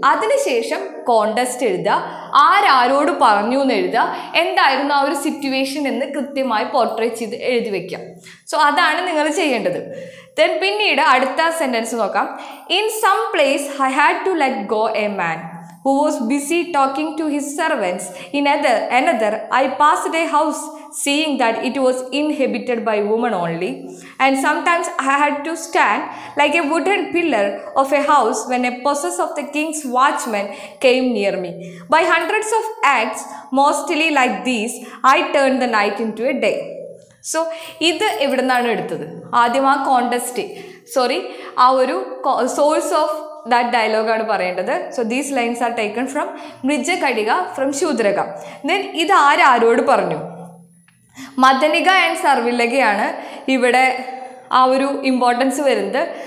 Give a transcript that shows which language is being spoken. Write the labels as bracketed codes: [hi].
[ml] അതിനുശേഷം കോണ്ടെസ്റ്റ് എഴുതുക, ആരാരോട് പറഞ്ഞു എന്ന് എഴുതുക, എന്തായിരുന്നു ആ ഒരു സിറ്റുവേഷൻ എന്ന് കൃത്യമായി പോർട്രേറ്റ് ചെയ്ത് എഴുതി വയ്ക്കാം. സോ അതാണ് നിങ്ങൾ ചെയ്യേണ്ടത്. ദെൻ പിന്നീട് അടുത്ത സെൻറ്റൻസ് നോക്കാം, [en] In some place I had to let go a man who was busy talking to his servants. In another, I passed a house seeing that it was inhabited by women only. And sometimes I had to stand like a wooden pillar of a house when a possess of the king's watchman came near me. By hundreds of acts, mostly like these, I turned the night into a day. [ml] So, ഇത് എവിടുന്നാണ് എടുത്തത്? ആദ്യം ആ contest, sorry, ആ ഒരു source of that ഡയലോഗാണ് പറയേണ്ടത്. [en] So these lines are taken from Mrichchhakatika from Shudraka. [ml] Then ഇത് ആരാരോട് പറഞ്ഞു? മദനിക ആൻഡ് സർവില്ലകയാണ് ഇവിടെ ആ ഒരു ഇമ്പോർട്ടൻസ് വരുന്നത്.